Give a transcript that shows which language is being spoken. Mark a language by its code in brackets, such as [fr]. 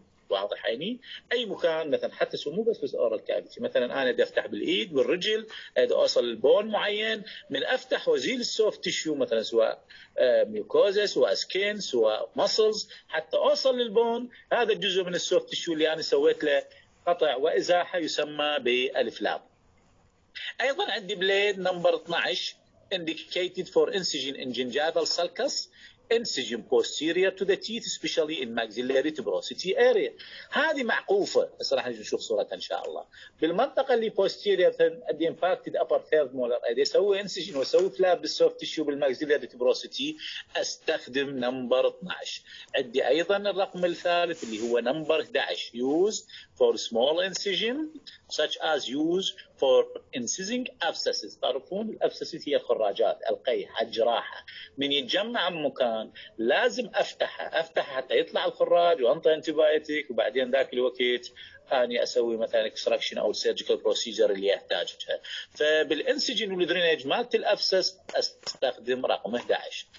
[ar] واضح يعني؟ أي مكان مثلا حتى سمو بس أورال كافيتي، مثلا أنا بدي أفتح بالإيد والرجل، بدي أوصل البون معين، من أفتح وزيل السوفت تيشيو مثلا سواء ميوكوزا سواء سكين سواء مسلز حتى أوصل للبون، هذا الجزء من السوفت تيشيو اللي أنا سويت له قطع وإزاحة يسمى بالفلاب. ايضا عندي بليد نمبر 12 [en] indicated for incision in gingival sulcus incision posterior to the teeth especially in maxillary tuberosity area. [ar] هذه معقوفه، بس راح نشوف صورتها ان شاء الله. بالمنطقه اللي posterior عندي impacted upper third molar، اذا اسوي incision واسوي flap بالsoft tissue بالmaxillary tuberosity استخدم نمبر 12. عندي ايضا الرقم الثالث اللي هو نمبر [en] 11 used for small incision such as used for incising abscesses. [ar] تعرفون الابسسس هي الخراجات، القيء، الجراحة. من يتجمع مكان لازم افتحه، افتحه حتى يطلع الخراج وانطي انتيبايتيك، وبعدين ذاك الوقت اني اسوي مثلا اكستراكشن او سيرجيكال بروسيجر اللي يحتاجها. فبالانسجن والدرينج مالت الابسس استخدم رقم 11.